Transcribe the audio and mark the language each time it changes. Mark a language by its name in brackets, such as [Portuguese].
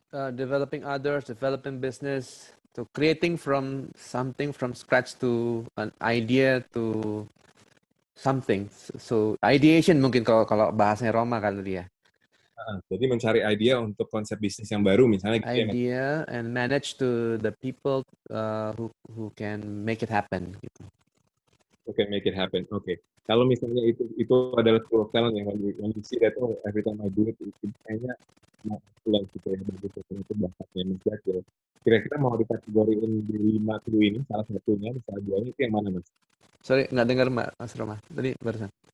[English] Developing others, developing business. So creating from something from scratch to an idea to something. [Indonesian] So ideation mungkin kalau bahasanya Roma kali dia. Jadi mencari idea untuk konsep bisnis yang baru misalnya. [English] Idea and manage to the people who can make it happen. Who can make it happen. Okay. [Indonesian] Kalau misalnya itu adalah pro talent yang [English] when you see that oh every time I do it [Indonesian] kayaknya pulang gitu ya bagus itu bakatnya menjadi gitu. Kira-kira mau dikategoriin di lima clue ini salah satunya salah dua ini yang mana Mas? Sorry nggak dengar Mas Roma tadi barusan.